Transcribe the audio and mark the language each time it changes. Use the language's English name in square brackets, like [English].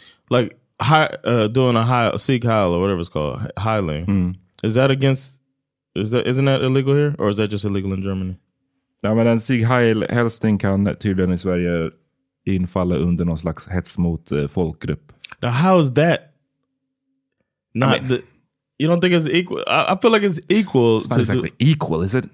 [English] Doing a seek hile or whatever it's called, hiling, mm. is that against... Isn't that illegal here? Or is that just illegal in Germany? [Swedish] Ja, men en Sieg Heil-hälsning kan tydligen i Sverige infalla under någon slags hets mot folkgrupp. [English] Now, how is that not you don't think it's equal? I feel like it's equal. It's not exactly equal, is it?